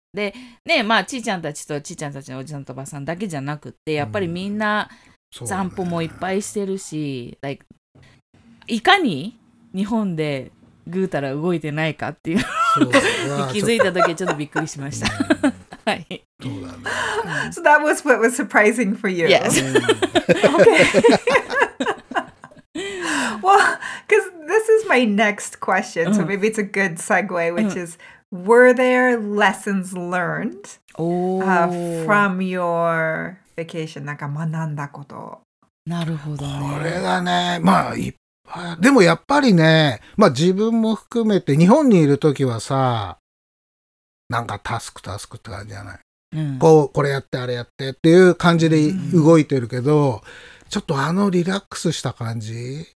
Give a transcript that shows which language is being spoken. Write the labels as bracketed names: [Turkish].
[Japanese] で、ね、まあちいちゃんたちとちいちゃんたちのおじさんとおばさんだけじゃなくて、やっぱりみんな、うん、ね、散歩もいっぱいしてるし、 [English] like、 [Japanese] いかに日本でぐうたら動いてないかっていうのを気づいた時ちょっとびっくりしました。 [English] So that was what was surprising for you. Yes. Well, because this is my next question, so maybe it's a good segue, which is, were there lessons learned、from your... [Japanese] なんか学んだこと。なるほどね。これがね、まあいっぱい。でもやっぱりね、まあ自分も含めて日本にいるときはさ、なんかタスクタスクって感じじゃない。うん、こうこれやってあれやってっていう感じで動いてるけど、うん、ちょっとあのリラックスした感じ。